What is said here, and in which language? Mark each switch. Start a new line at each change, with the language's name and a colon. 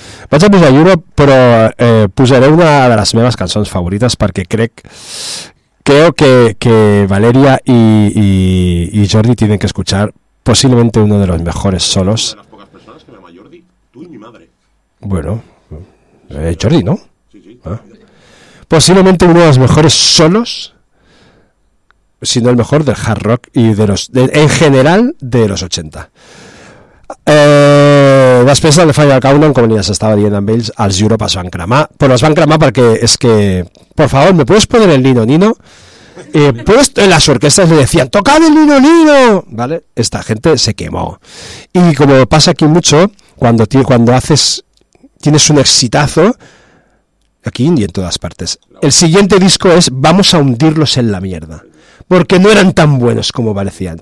Catalan: Vaig a posar Europe, però posaré una de les meves cançons favorites perquè crec...
Spanish: Creo que Valeria y Jordi tienen que escuchar posiblemente uno de los mejores solos. Una de las pocas personas que me llama Jordi, tú y mi madre. Bueno, Jordi, ¿no? Sí. Posiblemente uno de los mejores solos, si no el mejor, del hard rock y de los en general de los 80.
Catalan: Després del Final Countdown, com ja s'estava dient amb ells, els Europe es van cremar, però es van cremar perquè és que,
Spanish: por favor, ¿me puedes poner el Nino Nino? En las orquestas le decían ¡tocad el Nino Nino! ¿Vale? Esta gente se quemó. Y como pasa aquí mucho, cuando tienes un exitazo aquí y en todas partes, el siguiente disco es vamos a hundirlos en la mierda, porque no eran tan buenos como parecían.